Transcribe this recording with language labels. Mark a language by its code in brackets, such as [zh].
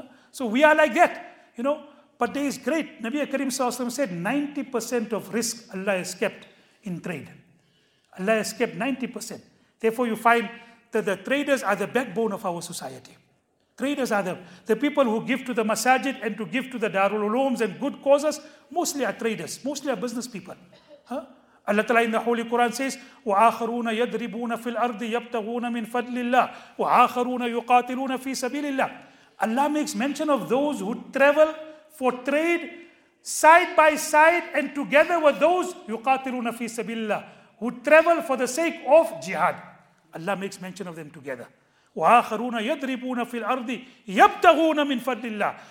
[en] So we are like that, you know. But there is great. Nabi Karim Sallallahu Alaihi Wasallam said, 90% of risk Allah has kept in trade. Allah has kept 90%. Therefore you find that the traders are the backbone of our society. Traders are the people who give to the masajid and to give to the Darul Ulooms and good causes, mostly are traders, mostly are business people. Allah Ta'ala in the Holy Quran says, [ar] وَآخَرُونَ يَدْرِبُونَ فِي الْأَرْضِ يَبْتَغُونَ مِنْ فَضْلِ اللَّهِ وَآخَرُونَ يُقَاتِلُونَ فِي سَبِيلِ اللَّهِ. [en] Allah makes mention of those who travel for trade side by side and together with those, [ar] يُقَاتِلُونَ فِي سَبِيلِ اللَّهِ, [en] who travel for the sake of jihad. Allah makes mention of them together. [ar] وَآخَرُونَ يَدْرِبُونَ فِي الْأَرْضِ يَبْتَغُونَ مِنْ فَضْلِ اللَّهِ.